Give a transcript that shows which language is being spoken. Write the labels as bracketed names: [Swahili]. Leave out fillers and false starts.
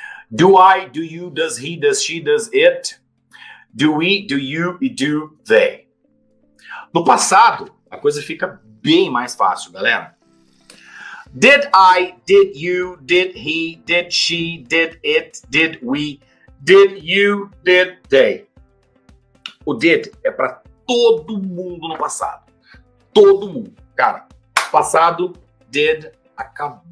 [English] Do I, do you, does he, does she, does it? Do we, do you e do they. [Portuguese] No passado, a coisa fica bem mais fácil, galera. [English] Did I, did you, did he, did she, did it, did we, did you, did they. [Portuguese] O did é para todo mundo no passado. Todo mundo. Cara, passado, did, acabou.